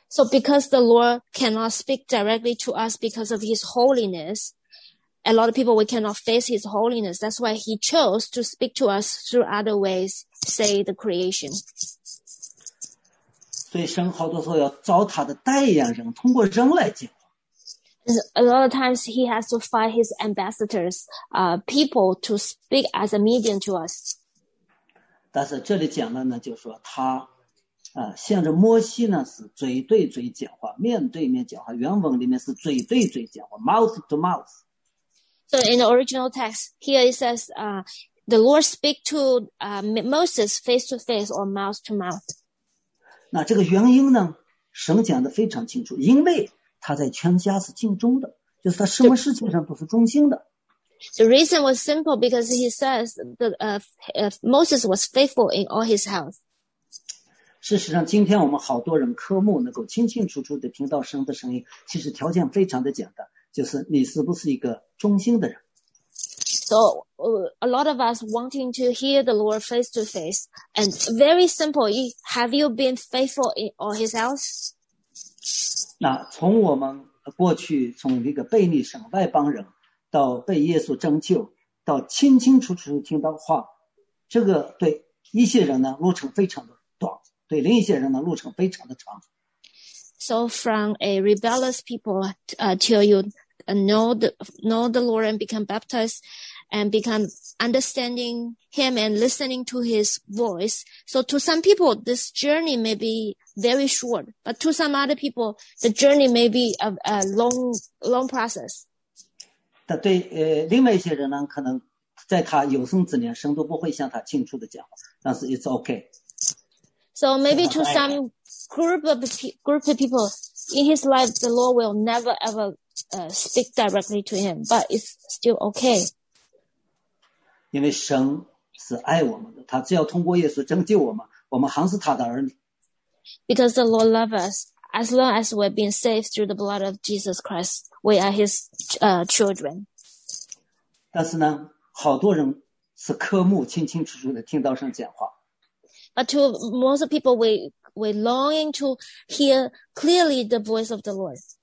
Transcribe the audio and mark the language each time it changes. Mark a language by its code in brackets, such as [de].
[en] Because the Lord cannot speak directly to us because of His holiness, a lot of people we cannot face His holiness. That's why He chose to speak to us through other ways, say the creation. [zh] 所以神好多时候要找他的代言人，通过人来讲。 [en] A lot of times He has to find His ambassadors, people to speak as a medium to us. [zh] 但是这里讲的呢，就是说他，向着摩西呢是嘴对嘴讲话，面对面讲话。原文里面是嘴对嘴讲话 ， [en] mouth to mouth。 So in the original text here it says, the Lord speak to Moses face to face or mouth to mouth. [zh] 那这个原因呢，神讲的非常清楚，因为他在全家是尽忠的，就是他什么事情上都是忠心的。 [en] The reason was simple because he says that Moses was faithful in all his house. [zh] 事实上，今天我们好多人科目能够清清楚楚地听到神的声音，其实条件非常的简单，就是你是不是一个忠心的人。 [en] So a lot of us wanting to hear the Lord face to face, and very simple, have you been faithful in all his house? [zh] 那从我们过去从一个悖逆神外邦人。到被耶稣拯救，到清清楚楚听到话，这个对一些人呢路程非常的短，对另一些人呢路程非常的长。 [en] So from a rebellious people, till you know the Lord and become baptized, and become understanding him and listening to his voice. So to some people, this journey may be very short, but to some other people, the journey may be a long, long process. [zh] 对，另外一些人呢，可能在他有生之年，神都不会向他清楚的讲，但是 [en] it's okay. So maybe to some group of people in his life, the Lord will never ever speak directly to him, but it's still okay. [zh] 因为神是爱我们的，他只要通过耶稣拯救我们，我们还是他的儿女。 [en] Because the Lord loves us, as long as we're being saved through the blood of Jesus Christ, we are his children. [zh] 但是呢，好多人是科目清清楚楚地听到神讲话。 [en] But to most people, we longing to hear clearly the voice of the Lord.